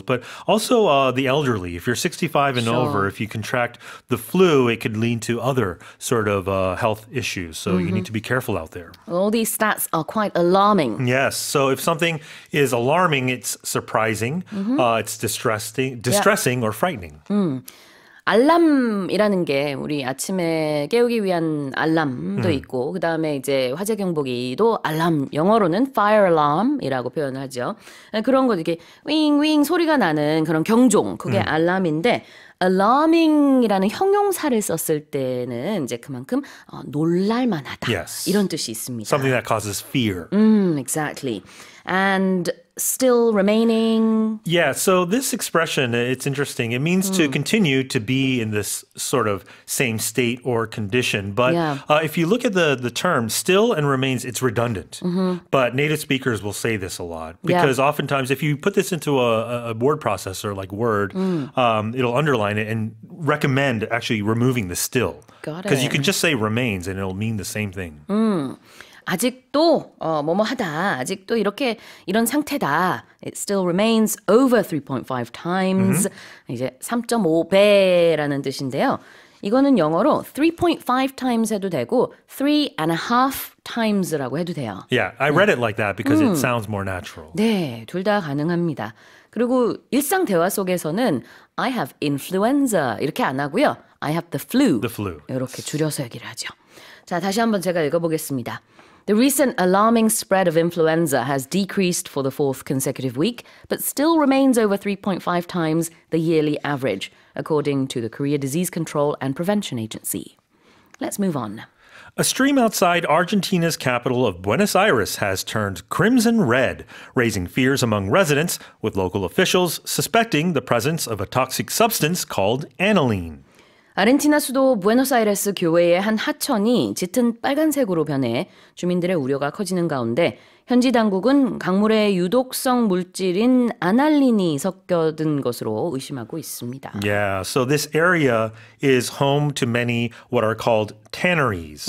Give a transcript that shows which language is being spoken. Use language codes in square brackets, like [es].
[en] But also the elderly, if you're 65 and over, if you contract the flu, it could lead to other sort of health issues. So you need to be careful out there. All these stats are quite alarming. Yes. So if something is alarming, it's surprising, it's distressing or frightening. [ko] 알람이라는 게 우리 아침에 깨우기 위한 알람도 있고 그다음에 이제 화재 경보기도 알람 영어로는 fire alarm이라고 표현을 하죠. 그런 거 이렇게 윙윙 소리가 나는 그런 경종 그게 알람인데 alarming이라는 형용사를 썼을 때는 이제 그만큼 놀랄 만하다. [en] Yes. [ko] 이런 뜻이 있습니다. [en] Something that causes fear. Exactly. And still remaining. Yeah, so this expression, it's interesting. It means to continue to be in this sort of same state or condition. But if you look at the term still and remains, it's redundant. But native speakers will say this a lot. Because oftentimes, if you put this into a word processor like Word, it'll underline it and recommend actually removing the still. Got it. Because you can just say remains and it'll mean the same thing. [ko] 아직도 뭐뭐하다. 아직도 이렇게 이런 상태다. [en] It still remains over 3.5 times. [ko] 이제 3.5배라는 뜻인데요. 이거는 영어로 3.5 times 해도 되고 3.5 times라고 해도 돼요. [en] Yeah, I read it like that because it sounds more natural. [ko] 네, 둘 다 가능합니다. 그리고 일상 대화 속에서는 [en] I have influenza [ko] 이렇게 안 하고요. [en] I have the flu. The flu. [ko] 이렇게 줄여서 얘기를 하죠. 자, 다시 한번 제가 읽어보겠습니다. [en] The recent alarming spread of influenza has decreased for the fourth consecutive week, but still remains over 3.5 times the yearly average, according to the Korea Disease Control and Prevention Agency. Let's move on. A stream outside Argentina's capital of Buenos Aires has turned crimson red, raising fears among residents, with local officials suspecting the presence of a toxic substance called aniline. [ko] 아르헨티나 수도 부에노스아이레스 교외의 한 하천이 짙은 빨간색으로 변해 주민들의 우려가 커지는 가운데 현지 당국은 강물에 유독성 물질인 아닐린이 섞여든 것으로 의심하고 있습니다. [en] Yeah, so this area is home to many what are called tanneries.